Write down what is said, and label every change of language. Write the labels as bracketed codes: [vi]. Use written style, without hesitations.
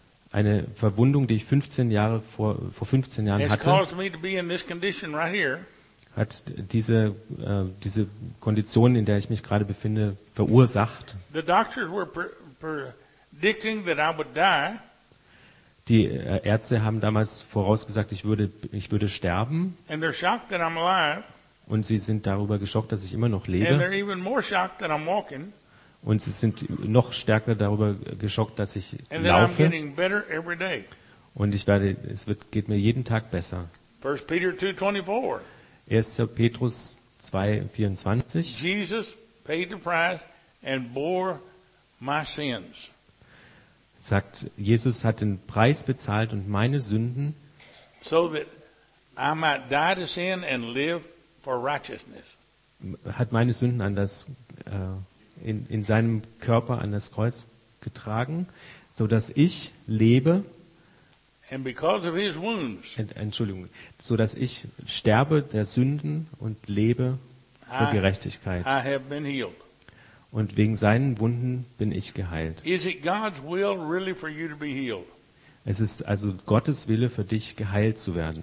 [de] eine Verwundung, die ich 15 Jahre vor 15 Jahren hatte, [en] has caused me to be in this condition right here. [de] Hat diese Kondition, in der ich mich gerade befinde, verursacht. [en] The doctors were predicting that I would die. [de] Die Ärzte haben damals vorausgesagt, ich würde sterben. [en] And they're shocked that I'm alive. [de] Und sie sind darüber geschockt, dass ich immer noch lebe. [en] And they're even more shocked that I'm walking. [de] Und sie sind noch stärker darüber geschockt, dass ich [en] and [de] laufe. [en] I'm getting better every day. [de] Und es geht mir jeden Tag besser. 1. Petrus 2,24. [en] Jesus paid the price and bore my sins. [de] Sagt, Jesus hat den Preis bezahlt und meine Sünden, [en] so that I might die to sin and live for righteousness. [de] Hat meine Sünden an das in seinem Körper an das Kreuz getragen, so dass ich lebe. [en] And because of his wounds, [de] Entschuldigung, so dass ich sterbe der Sünden und lebe für Gerechtigkeit. [en] I have been healed. [de] Und wegen seinen Wunden bin ich geheilt. [en] Is it God's will really for you to be healed? [de] Es ist also Gottes Wille für dich, geheilt zu werden.